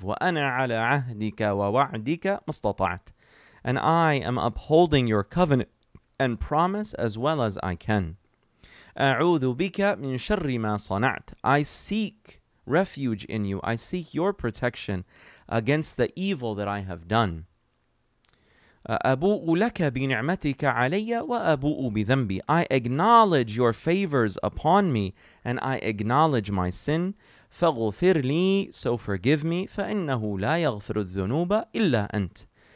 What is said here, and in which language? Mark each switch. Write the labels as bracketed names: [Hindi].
[Arabic] وَأَنَا عَلَىٰ عَهْدِكَ وَوَعْدِكَ مُسْتَطَعْتَ. [English] And I am upholding your covenant and promise as well as I can. [Arabic] أعوذ بك من شر ما صنعت. [English] I seek refuge in you. I seek your protection against the evil that I have done. [Arabic] أبوء لك بنعمتك علي وأبوء بذنبي. [English] I acknowledge your favors upon me and I acknowledge my sin. [Arabic] فاغفر لي, [English] so forgive me. [Arabic] فإنه لا يغفر الذنوب إلا أنت.